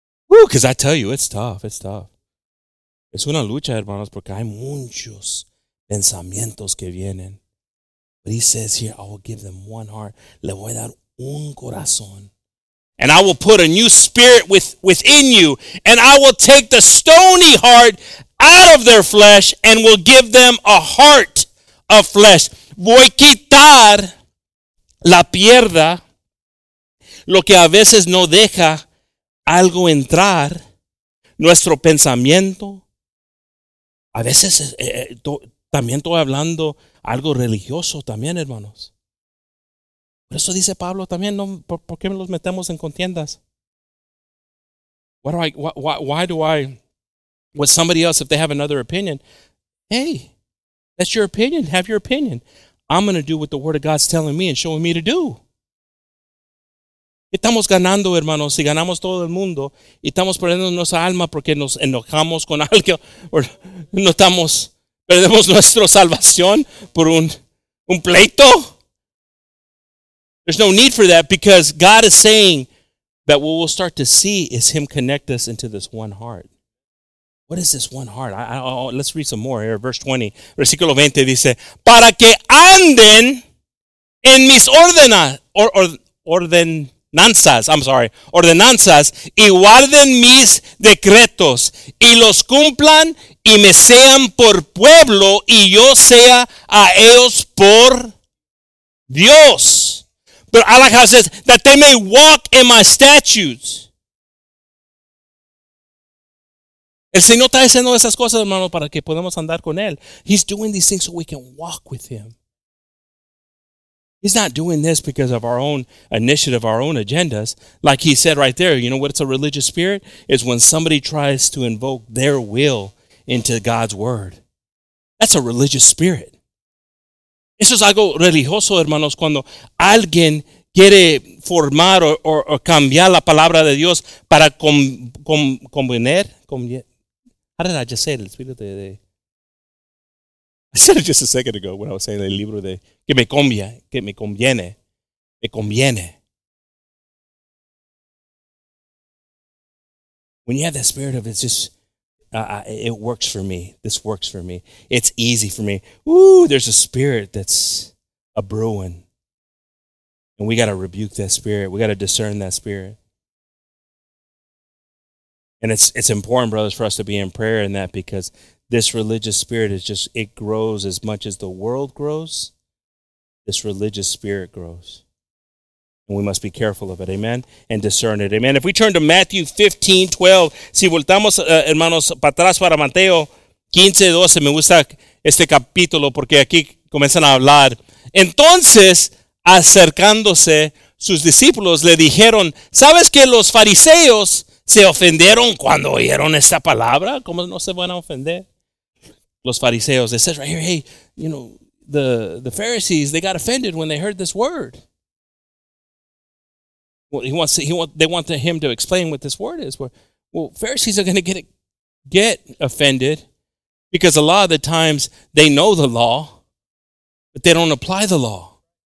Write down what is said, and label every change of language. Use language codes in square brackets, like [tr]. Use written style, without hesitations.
[en] Because I tell you, it's tough. [es] Es una lucha, hermanos, porque hay muchos pensamientos que vienen. [en] But he says here, I will give them one heart. [es] Le voy a dar un corazón. [en] And I will put a new spirit within you. And I will take the stony heart out of their flesh and will give them a heart of flesh. [es] Voy a quitar la piedra, lo que a veces no deja algo entrar, nuestro pensamiento, A veces también estoy hablando algo religioso también, hermanos. Por eso dice Pablo también, no, ¿por qué los metemos en contiendas? [en] With somebody else, if they have another opinion, hey, that's your opinion. Have your opinion. I'm going to do what the Word of God's telling me and showing me to do. [es] Estamos ganando, hermanos, si ganamos todo el mundo, y estamos perdiendo nuestra alma porque nos enojamos con alguien, o no estamos, perdemos nuestra salvación por un pleito. [en] There's no need for that because God is saying that what we'll start to see is Him connect us into this one heart. What is this one heart? Let's read some more here. Verse 20, [es] versículo 20 dice, para que anden en mis ordenanzas y guarden mis decretos y los cumplan y me sean por pueblo y yo sea a ellos por Dios. [en] But I like how it says, that they may walk in my statutes. [es] El Señor está haciendo esas cosas, hermano, para que podamos andar con Él. [en] He's doing these things so we can walk with Him. He's not doing this because of our own initiative, our own agendas. Like He said right there, you know what it's a religious spirit? It's when somebody tries to invoke their will into God's Word. That's a religious spirit. [es] Eso es algo religioso, hermanos, cuando alguien quiere formar o cambiar la palabra de Dios para convenir. [en] How did I just say it? [es] El libro de. [en] I said it just a second ago when I was saying [es] el libro de. Que me conviene. [en] When you have that spirit of it works for me. This works for me. It's easy for me. Ooh, there's a spirit that's a brewing. And we got to rebuke that spirit. We got to discern that spirit. And it's important, brothers, for us to be in prayer in that because this religious spirit is just, it grows as much as the world grows. This religious spirit grows. And we must be careful of it, amen, and discern it, amen. If we turn to Matthew 15, 12, [es] si voltamos, hermanos, para atrás para Mateo 15, 12, me gusta este capítulo porque aquí comienzan a hablar. Entonces, acercándose, sus discípulos le dijeron, ¿sabes que los fariseos se ofendieron cuando oyeron esta palabra? ¿Cómo no se van a ofender? Los fariseos, [en] they said, right here, hey, you know, the Pharisees, they got offended when they heard this word. Well, they want him to explain what this word is. Well, Pharisees are going to get offended because a lot of the times they know the law, but they don't apply the law.